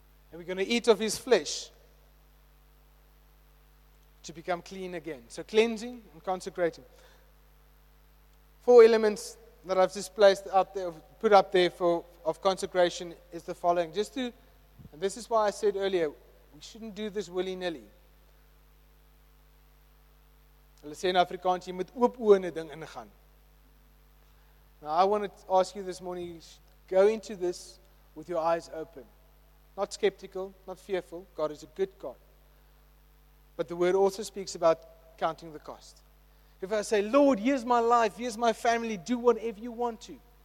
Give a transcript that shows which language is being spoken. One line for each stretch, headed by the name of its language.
English: And we're going to eat of His flesh to become clean again. So cleansing and consecrating. Four elements that I've just placed up there, put up there for of consecration is the following. Just to, and this is why I said earlier, we shouldn't do this willy-nilly.
Afrikaans: Hulle sê in Afrikaans, jy moet oop oë in 'n ding ingaan.
English: Now I want to ask you this morning, go into this with your eyes open. Not skeptical, not fearful. God is a good God. But the word also speaks about counting the cost. If I say, Lord, here's my life, here's my family, do whatever you want to.